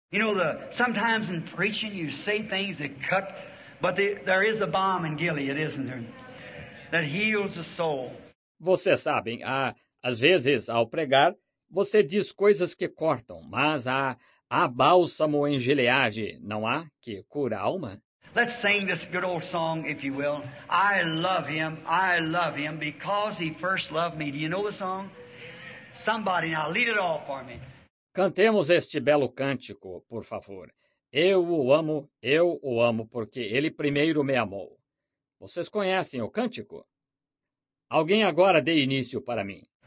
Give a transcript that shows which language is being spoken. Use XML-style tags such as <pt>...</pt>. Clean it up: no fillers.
<en>You know, sometimes in preaching you say things that cut, but there is a balm in Gilead, isn't there? That heals the soul.</en> <pt>Vocês sabem, às vezes, ao pregar, você diz coisas que cortam, mas há bálsamo em Gileade, não há? Que cura a alma?</pt> <en>Let's sing this good old song, if you will. I love him, because he first loved me. Do you know the song? Somebody now, lead it all for me.</en> <pt>Cantemos este belo cântico, por favor. Eu o amo, porque ele primeiro me amou. Vocês conhecem o cântico? Alguém agora dê início para mim.</pt>